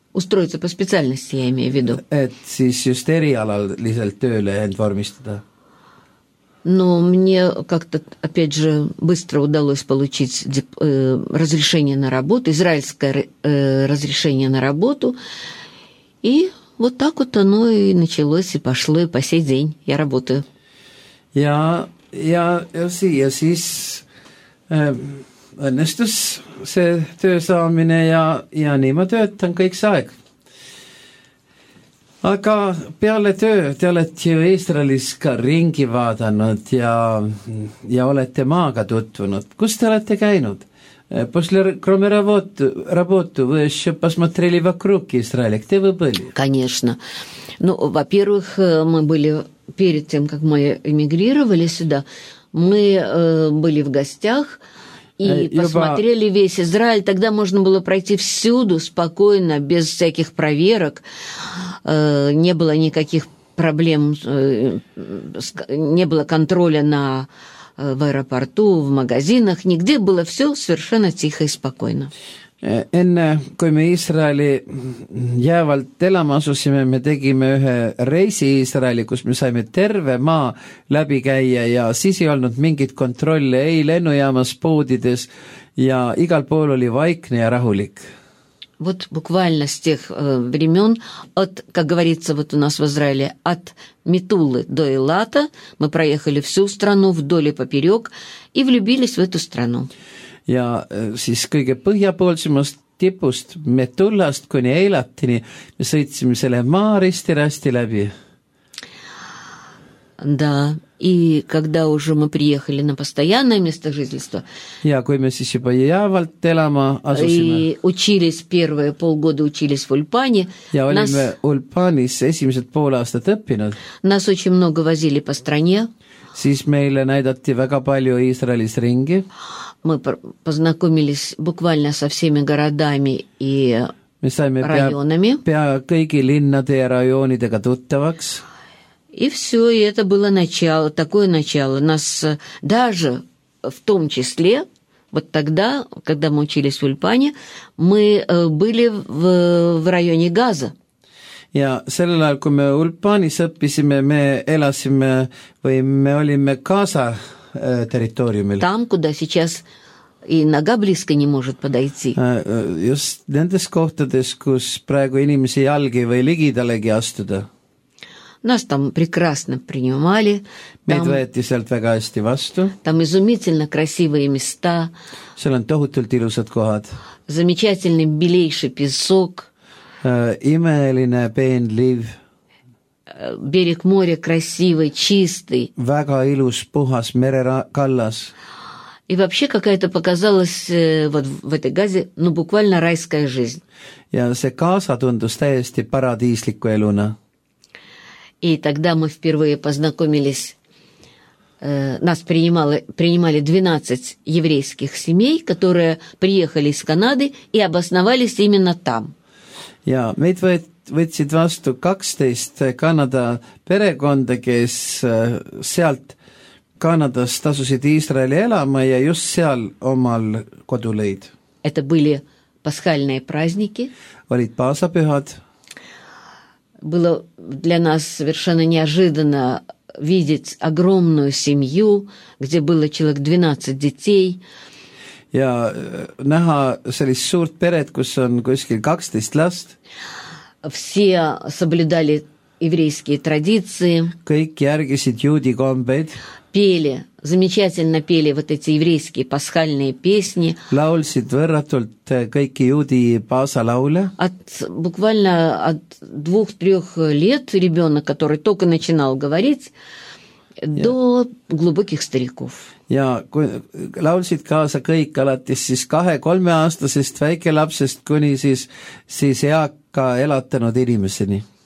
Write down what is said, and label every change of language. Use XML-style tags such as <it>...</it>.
<ru>Устроиться по специальности, я имею в виду.</ru> <et>Et siis just erialaliselt tööle end vormistada.</et> <ru>Но мне как-то, опять же, быстро удалось получить разрешение на работу, израильское разрешение на работу. И вот так вот оно и началось, и пошло, и по сей день я работаю.</ru> <et>Ja siis õnnestus see töösaamine ja nii ma töötan kõik see aeg. Aga peale töö, te olete ju Israelis ka ringi vaadanud ja olete maaga tutvunud. Kus te olete käinud?</et> <ru>После, кроме работы, вы еще посмотрели вокруг Израиля. Где вы были? Конечно. Ну, во-первых, мы были перед тем, как мы эмигрировали сюда, мы были в гостях и посмотрели весь Израиль. Тогда можно было пройти всюду спокойно, без всяких проверок. Не было никаких проблем, не было контроля на... в аэропорту, в магазинах, нигде было все совершенно тихо и спокойно.</ru> <et>Enne kui me Iisraeli jäävalt elama asusime, me tegime ühe reisi Iisraeli, kus me saime terve maa läbi käia ja siis ei olnud mingit kontrolli, ei lennujaamas poodides ja igal pool oli vaikne ja rahulik.</et> <ru>Вот буквально с тех времен, от, как говорится, вот у нас в Израиле, от Метулы до Эйлата, мы проехали всю страну вдоль и поперек и влюбились в эту страну. Я</ru> <et>siis kõige põhjapoolsemast tipust Metullast kuni Eilatini me sõitsime selle maa risti-rasti läbi.</et> <ru>Да, и когда уже мы приехали на постоянное место жительства,</ru> <et>ja, kui me siis juba jäävalt elama asusime,</et> <ru>и учились первые полгода, учились в Ульпане,</ru> <et>ja, olime Ulpanis esimesed pool aastat õppinud,</et> <ru>нас очень много возили по стране,</ru> <et>siis meile näidati väga palju Iisraelis ringi,</et> <ru>мы познакомились буквально со всеми городами и</ru> <et>me saime</et> <ru>районами,</ru> <et>pea kõigi linnade ja rajoonidega tuttavaks,</et> <ru>и все, и это было начало, такое начало. Нас даже в том числе, вот тогда, когда мы учились в Ульпане, мы были в районе Газа.</ru> <et>Ja sellel ajal, kui me Ulpanis õppisime, me elasime või me olime Gaza territooriumil.</et> <ru>Там, куда сейчас и нога близко не может подойти.</ru> <et>Just nendes kohtades, kus praegu inimesi jalgi või ligidalegi astuda.</et> <ru>Нас там прекрасно принимали.</ru> <et>Meid võeti sealt väga hästi vastu.</et> <ru>Там изумительно красивые места.</ru> <et>Seal on tohutult ilusad kohad.</et> <ru>Замечательный белейший песок.</ru> <et>Imeline peen liiv.</et> <ru>Берег моря красивый, чистый.</ru> <et>Väga ilus, puhas mere kallas.</et> <ru>И вообще какая-то показалась вот в этой Газе, ну буквально райская жизнь.</ru> <et>Ja see Gaza tundus täiesti paradiisliku eluna.</et> <ru>И тогда мы впервые познакомились, нас принимали 12 еврейских семей, которые приехали из Канады и обосновались именно там.</ru> <et>Ja, meid võtsid vastu 12 Kanada perekonda, kes sealt Kanadast asusid Iisraeli elama ja just seal omal kodu leid.</et> <ru>Это были пасхальные праздники.</ru> <et>Olid paasapühad.</et> <ru>Было для нас совершенно неожиданно видеть огромную семью, где было человек 12 детей.</ru> <et>Ja näha sellist suurt peret, kus on kuskil 12 last.</et> <ru>Все соблюдали еврейские традиции.</ru> <et>Kõik järgisid juudi kombeid.</et> <ru>Пели, замечательно пели вот эти еврейские пасхальные песни.</ru> <et>Laulsid võrratult kõiki juudi paasa lauля.</et> <ru>От буквально от 2-3 лет ребенок, который только начинал говорить, до глубоких стариков.</ru> <et>Ja kui laulsid kaasa kõik alates siis 2-3 aastasest väike lapsest kuni siis eaka elatanud inimeseni.</et>